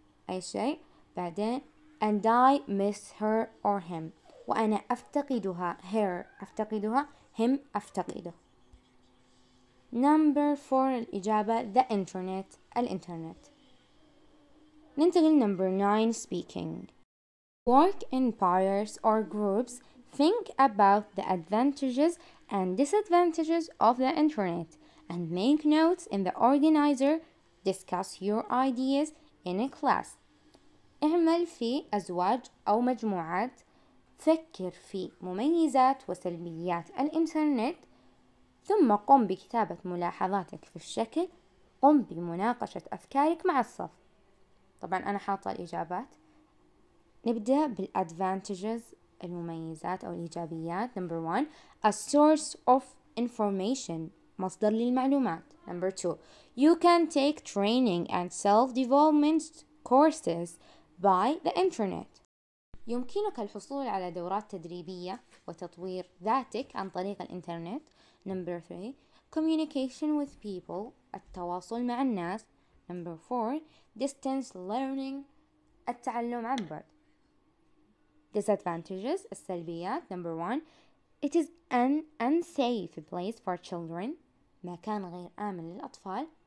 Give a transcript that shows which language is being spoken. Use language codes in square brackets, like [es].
[ar] أي شيء, بعدين [en] and I miss her or him, [ar] وأنا أفتقدها, her أفتقدها, him أفتقده. [en] Number four [ar] الإجابة [en] the internet. [ar] ننتقل [en] number nine speaking. Work in pairs or groups. Think about the advantages and disadvantages of the internet and make notes in the organizer. Discuss your ideas in a class. [ar] اعمل في أزواج أو مجموعات. فكر في مميزات وسلبيات الإنترنت. ثم قم بكتابة ملاحظاتك في الشكل. قم بمناقشة أفكارك مع الصف. طبعا أنا حاطة الإجابات. نبدأ بالadvantages المميزات أو الإيجابيات. [en] Number one, a source of information, [ar] مصدر للمعلومات. [en] Number two, you can take training and self-development courses by the internet. [ar] يمكنك الحصول على دورات تدريبية وتطوير ذاتك عن طريق الإنترنت. [en] Number three, communication with people, [ar] التواصل مع الناس. [en] Number four, distance learning, [ar] التعلم عن بعد. [en] Disadvantages, [ar] السلبيات. [en] Number one, it is an unsafe place for children, [ar] مكان غير آمن للأطفال.